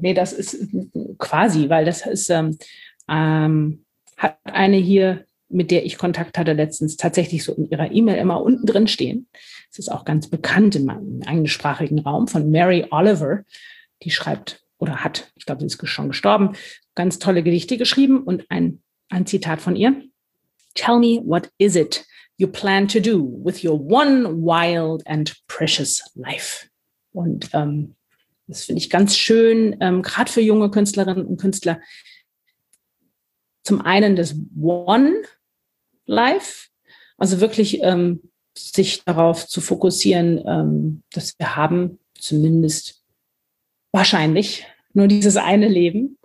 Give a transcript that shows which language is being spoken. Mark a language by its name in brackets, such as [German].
[German] Nee, das ist quasi, weil das ist, hat eine hier, mit der ich Kontakt hatte letztens, tatsächlich so in ihrer E-Mail immer unten drin stehen. Das ist auch ganz bekannt in meinem englischsprachigen Raum von Mary Oliver. Die schreibt oder hat, ich glaube, sie ist schon gestorben, ganz tolle Gedichte geschrieben und ein Zitat von ihr. [English] Tell me, what is it you plan to do with your one wild and precious life? [German] Und das finde ich ganz schön, gerade für junge Künstlerinnen und Künstler. Zum einen das [English] one life, [German] also wirklich sich darauf zu fokussieren, dass wir haben zumindest wahrscheinlich nur dieses eine Leben.